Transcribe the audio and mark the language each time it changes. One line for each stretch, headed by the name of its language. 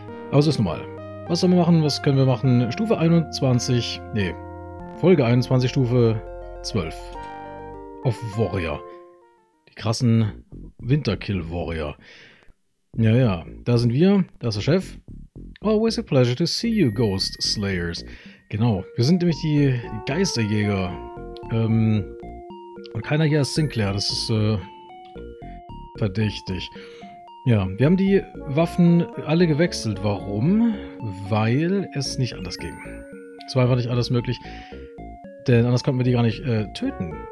German: Aber so ist nun mal. Was sollen wir machen? Was können wir machen? Stufe 21, nee, Folge 21, Stufe 12. Auf Warrior. Die krassen Winterkill-Warrior. Ja, da sind wir, da ist der Chef.
English: Always a pleasure to see you, Ghost Slayers.
German: Genau, wir sind nämlich die Geisterjäger. Und keiner hier ist Sinclair, das ist verdächtig. Ja, wir haben die Waffen alle gewechselt. Warum? Weil es nicht anders ging. Es war einfach nicht anders möglich, denn anders konnten wir die gar nicht töten.